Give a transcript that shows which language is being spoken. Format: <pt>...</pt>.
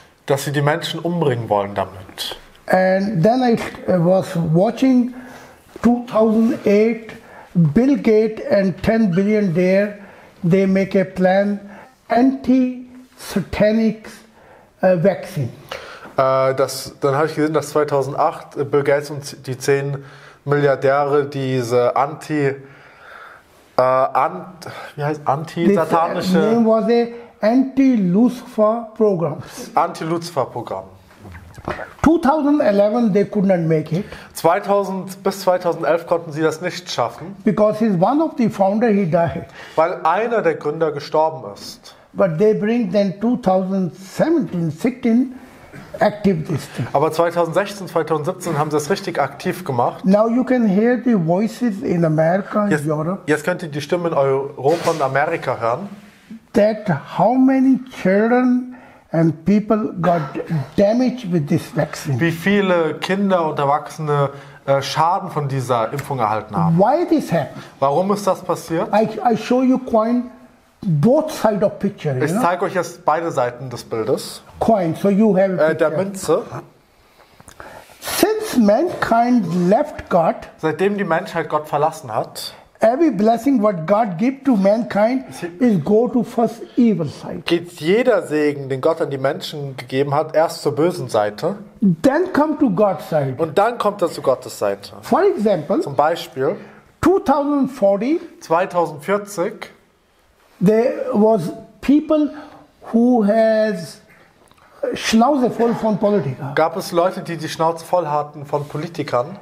<de>Dass sie die Menschen umbringen wollen damit.</de> <en>And then I was watching 2008, Bill Gates and 10 billionaire, they make a plan, anti-satanic vaccine.</en> <de>Dann habe ich gesehen, dass 2008 Bill Gates und die 10 Milliardäre diese anti-satanische...</de> <en>The name was a anti-Lucifer program. Anti-Lucifer program. 2011 they could not make it.</en> <de>Bis 2011 konnten sie das nicht schaffen.</de> <en>Because he's one of the founder, he died.</en> <de>Weil einer der Gründer gestorben ist.</de> <en>But they bring then 2017-16 active this thing.</en> <de>Aber 2016, 2017 haben sie es richtig aktiv gemacht.</de> <en>Now you can hear the voices in America and Europe.</en> <de>Jetzt könnt ihr die Stimmen in Europa und Amerika hören.</de> <en>That how many children and people got damaged with this vaccine.</en> <de>Wie viele Kinder und Erwachsene Schaden von dieser Impfung erhalten haben.</de> <en>Why this happened?</en> <de>Warum ist das passiert?</de> <en>I show you coin both side of picture.</en> <de>Ich zeige euch jetzt beide Seiten des Bildes.</de> <en>Coin, so you have</en> <de>a der Münze.</de> <en>Since mankind left God,</en> <de>seitdem die Menschheit Gott verlassen hat,</de> <en>every blessing what God give to mankind is go to first evil side.</en> <de>Geht jeder Segen, den Gott an die Menschen gegeben hat, erst zur bösen Seite.</de> <en>Then come to God's side.</en> <de>Und dann kommt er zu Gottes Seite.</de> <en>For example,</en> <de>zum Beispiel</de> <en>2040 there was people who has</en> <de>Schnauze voll von Politikern. Gab es Leute, die die Schnauze voll hatten von Politikern?</de>